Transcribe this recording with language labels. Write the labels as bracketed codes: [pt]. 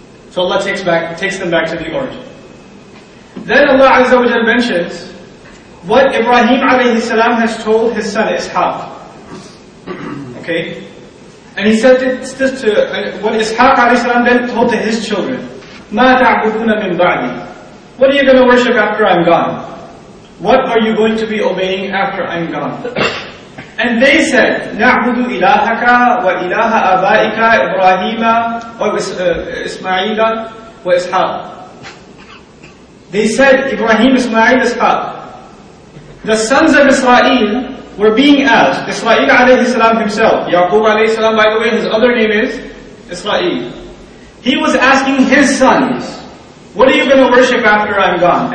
[en] So Allah takes them back to the origin. Then Allah Azza wa Jalla mentions what Ibrahim alayhi salam has told his son Ishaq. Okay? And he said this to what Ishaq alayhi salam then told to his children. [ar] مَا تَعْبُدُونَ مِنْ بَعْدِي. [en] What are you going to worship after I'm gone? What are you going to be obeying after I'm gone? And they said, [ar] نَعْبُدُ إِلَٰهَكَ وَإِلَٰهَ أَبَائِكَ إِبْرَاهِيمَ وَإِسْمَعِيلَ وَإِسْحَاقَ. [en] They said, Ibrahim, Ismail, Ishaq. The sons of Israel were being asked, Israel alayhi salam himself, Yaqub alayhi salam, by the way, his other name is Israel. He was asking his sons, what are you going to worship after I'm gone?